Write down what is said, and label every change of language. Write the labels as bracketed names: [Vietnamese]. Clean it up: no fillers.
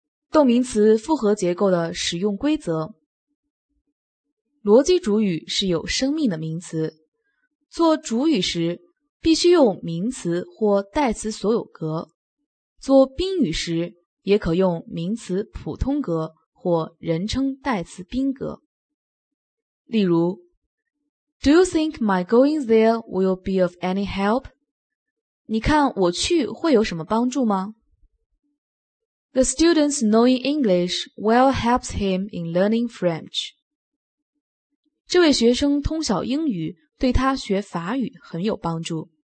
[Chinese] 动名词复合结构的使用规则：逻辑主语是有生命的名词，做主语时必须用名词或代词所有格，做宾语时也可用名词普通格或人称代词宾格。例如 [English] Do you think my going there will be of any help? [Chinese] 你看我去会有什么帮助吗？ [English] The student's knowing English well helps him in learning French. [Chinese] 这位学生通晓英语对他学法语很有帮助。